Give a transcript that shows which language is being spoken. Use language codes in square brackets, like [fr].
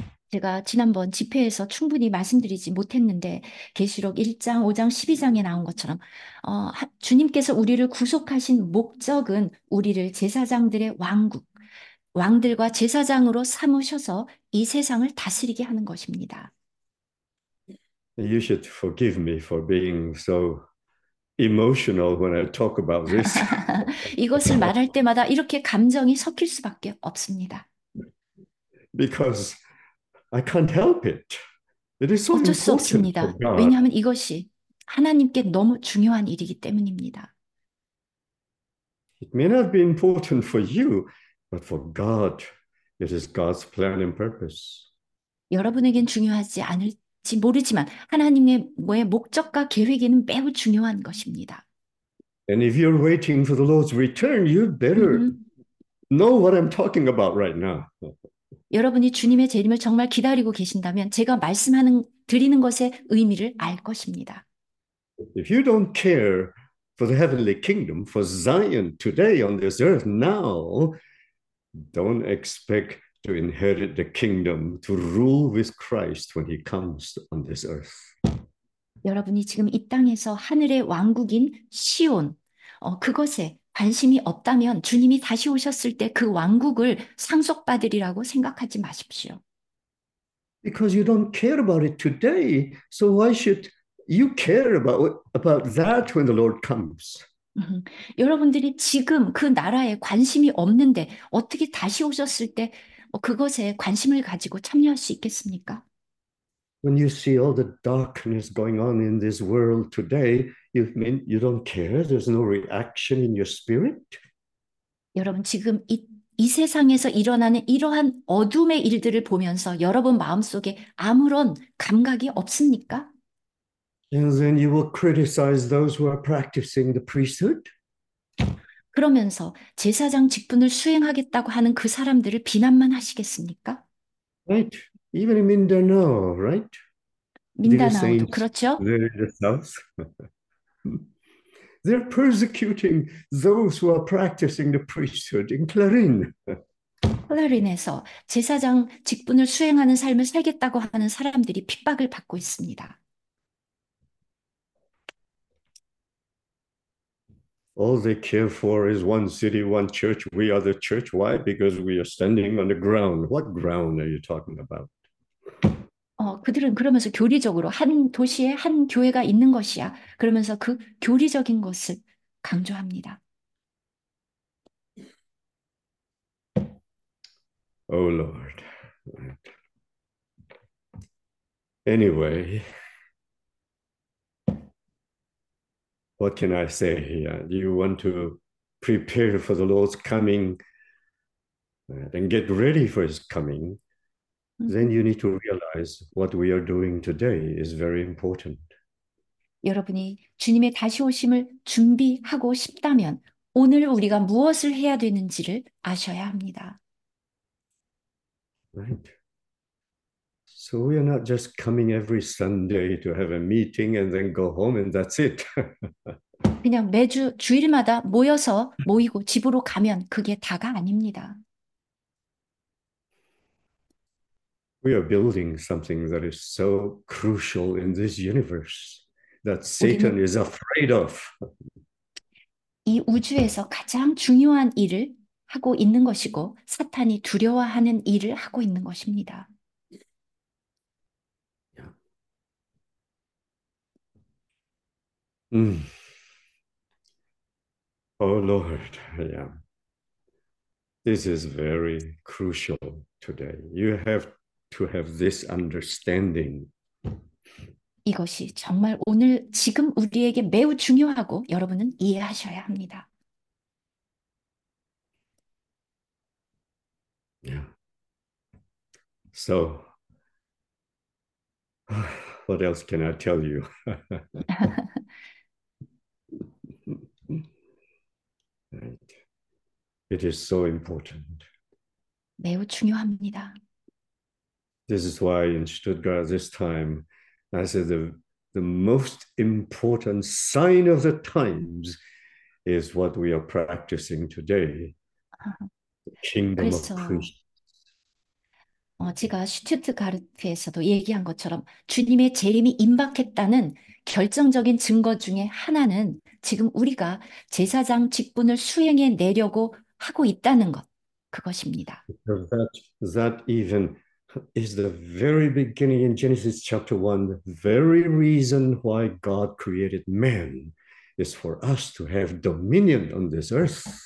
[ko] 제가 지난번 집회에서 충분히 말씀드리지 못했는데, 계시록 1장, 5장, 12장에 나온 것처럼, 주님께서 우리를 구속하신 목적은 우리를 제사장들의 왕국, 왕들과 제사장으로 삼으셔서 이 세상을 다스리게 하는 것입니다. [en] You should forgive me for being so emotional when I talk about this. [ko] 이것을 말할 때마다 이렇게 감정이 섞일 수밖에 없습니다. [en] Because I can't help it. It is so [ko] 어쩔 수 [en] important for [ko] 없습니다. [en] God. [ko] 왜냐하면 이것이 하나님께 너무 중요한 일이기 때문입니다. [en] It may not be important for you, but for God, it is God's plan and purpose. [ko] 여러분에겐 중요하지 않을지 모르지만 하나님의 목적과 계획에는 매우 중요한 것입니다. [en] And if you're waiting for the Lord's return, you better know what I'm talking about right now. [ko] 여러분이 주님의 재림을 정말 기다리고 계신다면 제가 말씀하는 드리는 것의 의미를 알 것입니다. [en] If you don't care for the heavenly kingdom, for Zion today on this earth now, don't expect to inherit the kingdom to rule with Christ when he comes on this earth. [ko] 여러분이 지금 이 땅에서 하늘의 왕국인 시온, 그것에 관심이 없다면 주님이 다시 오셨을 때그 왕국을 상속받으리라고 생각하지 마십시오. [en] Because you don't care about it today, so why should you care about that when the Lord comes? [ko] 여러분들이 지금 그 나라에 관심이 없는데 어떻게 다시 오셨을 때 그것에 관심을 가지고 참여할 수 있겠습니까? [en] When you see all the darkness going on in this world today, you mean you don't care? There's no reaction in your spirit? [ko] 여러분, 지금 이 세상에서 일어나는 이러한 어둠의 일들을 보면서 여러분 마음속에 아무런 감각이 없습니까? [en] And then you will criticize those who are practicing the priesthood? [ko] 그러면서 제사장 직분을 수행하겠다고 하는 그 사람들을 비난만 하시겠습니까? [en] Right. Even in Mindanao, right? Dear [ko] Mindanao도 [en] saints [ko] 그렇죠? [en] there in the south. They're persecuting those who are practicing the priesthood in Clarín. [ko] 클라린에서 제사장 직분을 수행하는 삶을 살겠다고 하는 사람들이 핍박을 받고 있습니다. [en] All they care for is one city, one church. We are the church. Why? Because we are standing on the ground. What ground are you talking about? [ko] 그들은 그러면서 교리적으로 한 도시에 한 교회가 있는 것이야. 그러면서 그 교리적인 것을 강조합니다. [en] Lord. Anyway. What can I say here? Do you want to prepare for the Lord's coming and get ready for his coming? Then you need to realize what we are doing today is very important. [ko] 여러분이 주님의 다시 오심을 준비하고 싶다면 오늘 우리가 무엇을 해야 되는지를 아셔야 합니다. [en] Right. So we are not just coming every Sunday to have a meeting and then go home and that's it. [ko] 그냥 매주 주일마다 모여서 모이고 집으로 가면 그게 다가 아닙니다. [en] We are building something that is so crucial in this universe that [ko] 우리는 [en] Satan is afraid of. [ko] 이 우주에서 가장 중요한 일을 하고 있는 것이고, 사탄이 두려워하는 일을 하고 있는 것입니다. [en] Oh Lord, yeah. This is very crucial today. You have to have this understanding. [ko] 이것이 정말 오늘 지금 우리에게 매우 중요하고 여러분은 이해하셔야 합니다. [en] So, what else can I tell you? Is so important. [ko] 매우 중요합니다. [en] This is why in Stuttgart this time, I said the most important sign of the times is what we are practicing today, the kingdom of [ko] 그래서 [en] priests. [ko] 제가 슈투트가르트에서도 얘기한 것처럼 주님의 재림이 임박했다는 결정적인 증거 중에 하나는 지금 우리가 제사장 직분을 수행해 내려고 하고 있다는 것, 그것입니다. [en] That even is the very beginning in Genesis chapter 1. The very reason why God created man is for us to have dominion on this earth.